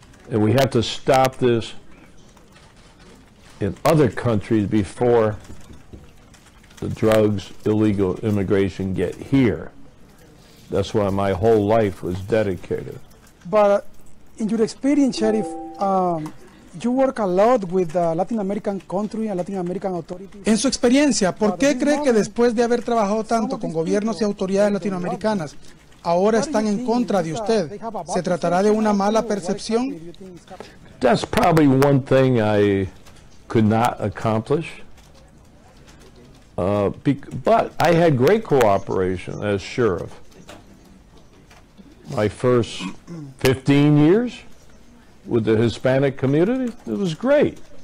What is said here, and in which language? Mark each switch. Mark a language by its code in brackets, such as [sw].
[en] And we have to stop this in other countries before the drugs, illegal immigration get here. That's why my whole life was dedicated. But in your experience, Sheriff, you work a lot with the Latin American country and Latin American authorities. [es] En su experiencia, ¿por qué cree que después de haber trabajado tanto con gobiernos y autoridades latinoamericanas, ahora están en contra de usted? ¿Se tratará de una mala percepción? [en] That's probably one thing I could not accomplish. But I had great cooperation as sheriff. My first 15 years with the Hispanic community, it was great.